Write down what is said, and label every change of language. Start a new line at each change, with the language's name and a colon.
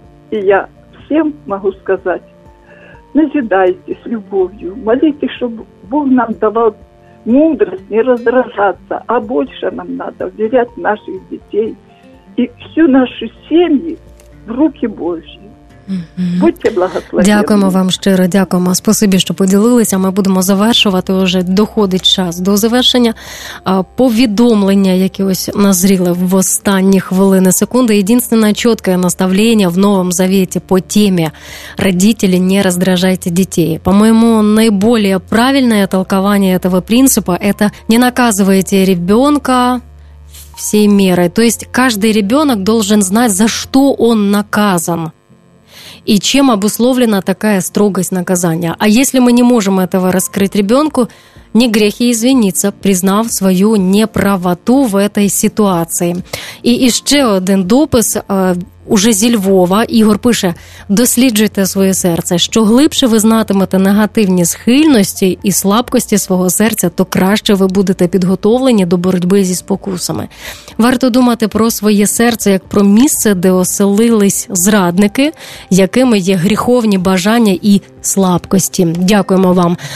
Russian: И я всем могу сказать, назидайтесь любовью, молитесь, чтобы Бог нам давал мудрость не раздражаться, а больше нам надо вверять наших детей и всю нашу семью в руки Божьи. Mm-hmm. Будьте благословенны.
Ukrainian: Дякуємо вам щиро, дякуємо. Спасибі, що поділилися. Ми будемо завершувати, вже доходить час до завершення. Повідомлення, яке ось назріло в останні хвилини, секунди. Єдинственне чітке наставлення в Новому Завіті по темі «Родителі, не роздражайте дітей». По-моєму, найбільш правильне толкування цього принципу – це «не наказуйте ребенка».
Russian: Всей мерой. То есть каждый ребенок должен знать, за что он наказан. И чем обусловлена такая строгость наказания? А если мы не можем этого раскрыть ребенку, не грех и извиниться, признав свою неправоту в этой ситуации. И еще один допис уже зі Львова.
Ukrainian: Ігор пише, досліджуйте своє серце. Що глибше ви знатимете негативні схильності і слабкості свого серця, то краще ви будете підготовлені до боротьби зі спокусами. Варто думати про своє серце, як про місце, де оселились зрадники, якими є гріховні бажання і слабкості. Дякуємо вам.